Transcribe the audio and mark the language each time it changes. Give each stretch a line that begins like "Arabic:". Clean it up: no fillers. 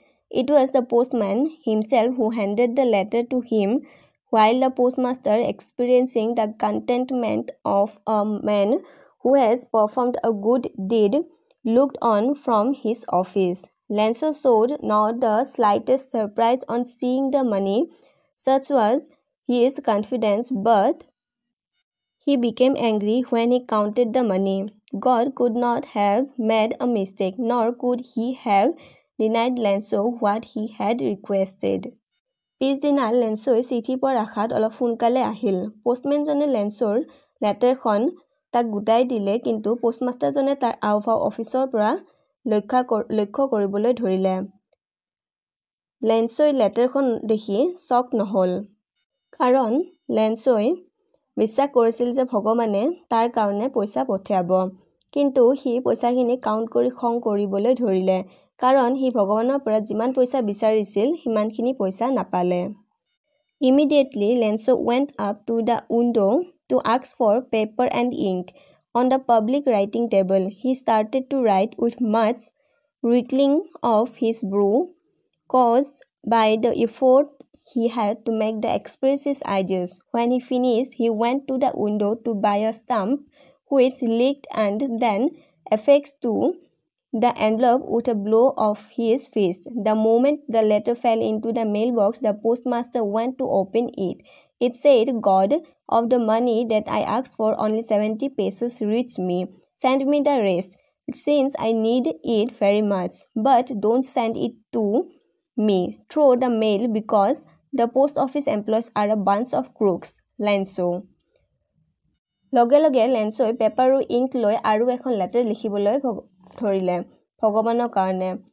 English: It was the postman himself who handed the letter to him while the postmaster experiencing the contentment of a man who has performed a good deed looked on from his office. Lencho showed not the slightest surprise on seeing the money such was his confidence but he became angry when he counted the money. God could not have made a mistake, nor could he have denied Lenso what he had requested.
Assamese: পিছদিনা লেন্সই চিঠি পোৱাৰ আশাত অলপ সোনকালে আহিল। পোষ্টমেনজনে লেন্সৰ লেটাৰখন তাক গোটাই দিলে, কিন্তু পোষ্টমাষ্টাৰজনে তাৰ আওভাও অফিচৰ পৰা লক্ষ্য কৰিবলৈ ধৰিলে। লেন্সই লেটাৰখন দেখি শক নহ'ল, কাৰণ লেন্সই বিশ্বাস কৰিছিল যে ভগৱানে তাৰ কাৰণে পইচা পঠিয়াব। কিন্তু সি পইচাখিনি কাউণ্ট কৰি খং কৰিবলৈ ধৰিলে, কাৰণ সি ভগৱানৰ পৰা যিমান পইচা বিচাৰিছিল সিমানখিনি পইচা নাপালে।
English: Immediately Lencho went up to the window' to ask for paper and ink on the public writing table. He started to write with much wrinkling of his brow caused by the effort he had to make the express his ideas. When he finished, he went to the window to buy a stamp which leaked and then affixed to the envelope with a blow of his fist. The moment the letter fell into the mailbox, the postmaster went to open it. It said, God, of the money that I asked for, only 70 pesos reached me. Send me the rest, since I need it very much. But don't send it to me through the mail because the post office employees are a bunch of crooks Lencho.
Assamese: লগে লগে লেন্সই paper আৰু ink লৈ আৰু এখন letter লিখিবলৈ ধৰিলে ভগৱানৰ কাৰণে।